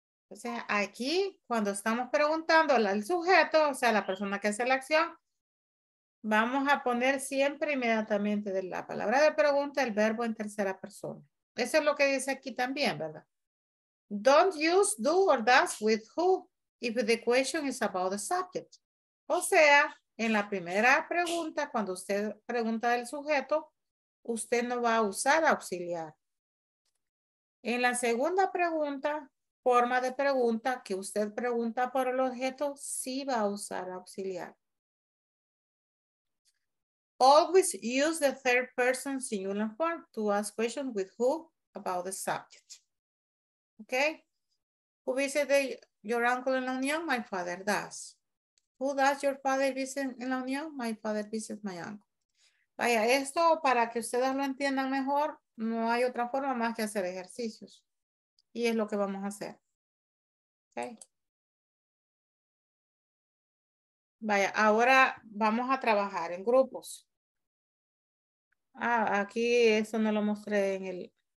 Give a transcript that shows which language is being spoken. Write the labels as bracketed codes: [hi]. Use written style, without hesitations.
[es] O sea, aquí, cuando estamos preguntando al sujeto, o sea, la persona que hace la acción, vamos a poner siempre inmediatamente de la palabra de pregunta el verbo en tercera persona. Eso es lo que dice aquí también, ¿verdad? [en] Don't use do or does with who if the question is about the subject. [es] O sea, en la primera pregunta, cuando usted pregunta del sujeto, usted no va a usar auxiliar. En la segunda pregunta, forma de pregunta que usted pregunta por el objeto, sí va a usar auxiliar. [en] Always use the third person singular form to ask questions with who about the subject. Okay? Who visited your uncle in La Unión? My father does. Who does your father visit in La Unión? My father visits my uncle. [es] Vaya, esto para que ustedes lo entiendan mejor, no hay otra forma más que hacer ejercicios. Y es lo que vamos a hacer. Okay. Vaya, ahora vamos a trabajar en grupos. Ah, aquí eso no lo mostré en el...